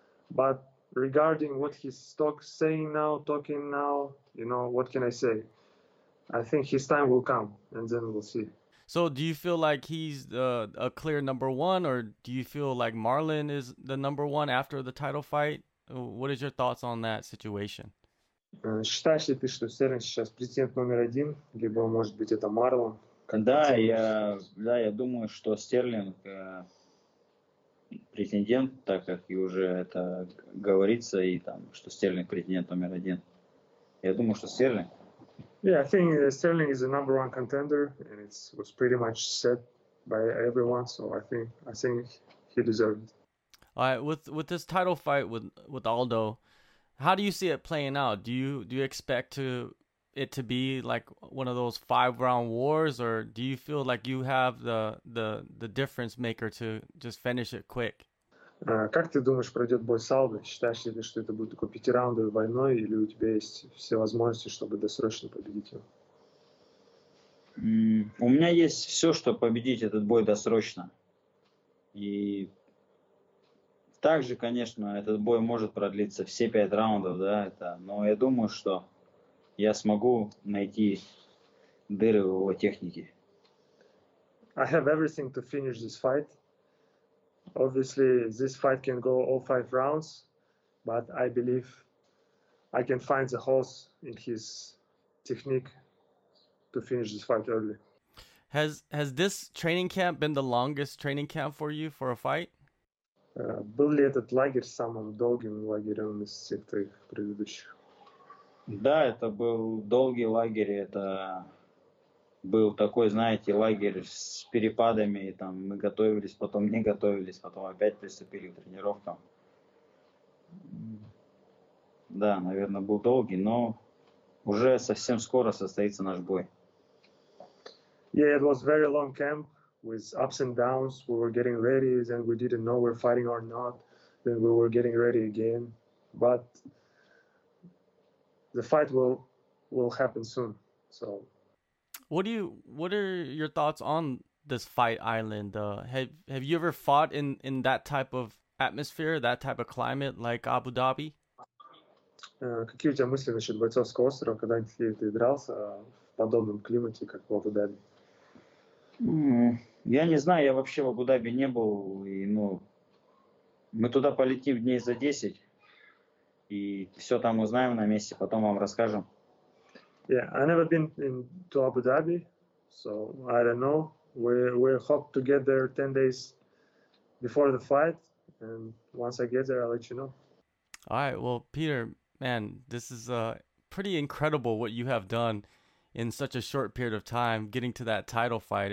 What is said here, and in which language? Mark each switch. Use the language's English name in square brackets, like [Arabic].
[English] But regarding what he's talking now, you know, what can I say? I think his time will come and then we'll see. So do you feel like he's a clear number one, or do you feel like Marlon is the number one after the title fight? What is your thoughts on that situation? [Russian] Считаешь ли ты, что Серн сейчас президент номер один, либо, может быть, это Марлон? Да, я думаю, что Стерлинг президент, так как и уже это говорится, и там, что Стерлинг президент номер один. Я думаю, что Стерлинг. [English] Yeah, I think Sterling is the number one contender, and it was pretty much set by everyone. So I think he deserved it. All right, with this title fight with Aldo, how do you see it playing out? Do you expect it to be like one of those five round wars, or do you feel like you have the difference maker to just finish it quick? [Russian] Как ты думаешь, пройдет бой с Алдо? Считаешь ли ты, что это будет такой пятираундовой войной, или у тебя есть все возможности, чтобы досрочно победить его? У меня есть все, чтобы победить этот бой досрочно. И также, конечно, этот бой может продлиться все пять раундов, да, это. Но я думаю, что я смогу найти дыры в его технике. [English] I have everything to finish this fight. Obviously, this fight can go all five rounds, but I believe I can find the holes in his technique to finish this fight early. Has this training camp been the longest training camp for you for a fight? [Russian] Был ли этот лагерь самым долгим лагерем из всех твоих предыдущих? Да, это был долгий лагерь. Это был такой, знаете, лагерь с перепадами, и там мы готовились, потом не готовились, потом опять приступили к тренировкам. Да, наверное, был долгий, но уже совсем скоро состоится наш бой. [English] Yeah, it was very long camp with ups and downs. We were getting ready, then we didn't know we're fighting or not. Then we were getting ready again, but the fight will happen soon. So. What are your thoughts on this fight island? Have you ever fought in that type of atmosphere, that type of climate, like Abu Dhabi? [Russian] Какие у тебя мысли насчет бойцовского острова, когда ты дрался в подобном климате, как в Абу Даби? Я не знаю, я вообще в Абу Даби не был, и ну мы туда полетим дней за 10, и все там узнаем на месте, потом вам расскажем. [English] Yeah, I never been to Abu Dhabi, so I don't know. We hope to get there 10 days before the fight, and once I get there, I'll let you know. All right, well, Peter, man, this is pretty incredible what you have done in such a short period of time, getting to that title fight.